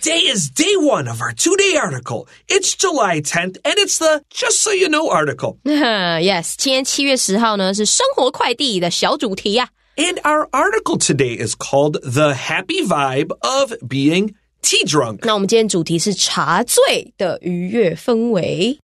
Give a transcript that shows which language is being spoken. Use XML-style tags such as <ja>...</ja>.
<en>Today is day one of our two-day article. It's July 10th, and it's the Just So You Know article.</en> <zh>Yes, 今天7月10号呢是生活快递的小主题啊。</zh> <en>And our article today is called The Happy Vibe of Being Tea Drunk.</en> <zh>那我们今天主题是茶醉的愉悦氛围。</zh>